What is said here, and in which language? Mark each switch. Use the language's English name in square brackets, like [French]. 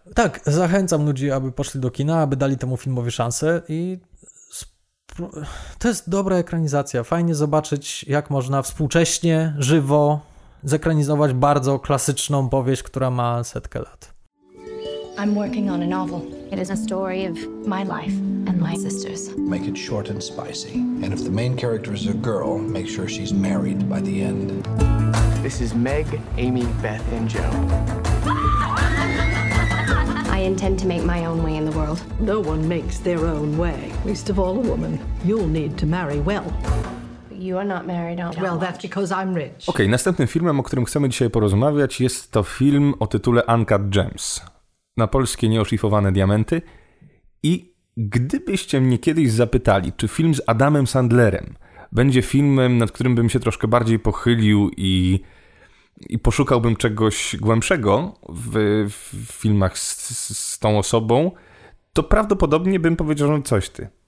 [Polish] Tak, zachęcam ludzi, aby poszli do kina, aby dali temu filmowi szansę i to jest dobra ekranizacja. Fajnie zobaczyć, jak można współcześnie, żywo zekranizować bardzo klasyczną powieść, która ma setkę lat. [English] I'm working on a novel. It is a story of my life and my sister's. Make it short and spicy. And if the main character is a girl, make sure she's married by the end. This is Meg, Amy, Beth and Joe. I intend to make my own way in the world. No one makes their own way. Least of all a woman. You'll need to marry well. You are not married, aren't you? Well, that's because I'm rich. [Polish] Okej, następnym filmem, o którym chcemy dzisiaj porozmawiać, jest to film o tytule Uncut Gems. Na polskie nieoszlifowane diamenty. I gdybyście mnie kiedyś zapytali, czy film z Adamem Sandlerem będzie filmem, nad którym bym się troszkę bardziej pochylił i poszukałbym czegoś głębszego w filmach z tą osobą, to prawdopodobnie bym powiedział, że coś ty.